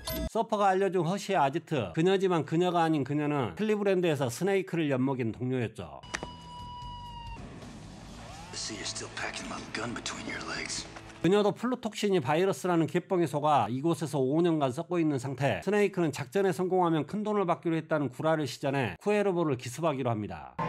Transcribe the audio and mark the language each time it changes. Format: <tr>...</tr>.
<ko>서퍼가 알려준 허쉬의 아지트. 그녀지만 그녀가 아닌 그녀는 클리브랜드에서 스네이크를 엿먹인 동료였죠.</ko> <en>I see you're still packing my gun between your legs.</en> <ko>그녀도 플루톡신이 바이러스라는 개뻥에 속아 이곳에서 5년간 썩고 있는 상태. 스네이크는 작전에 성공하면 큰 돈을 받기로 했다는 구라를 시전해 쿠에르보를 기습하기로 합니다.</ko>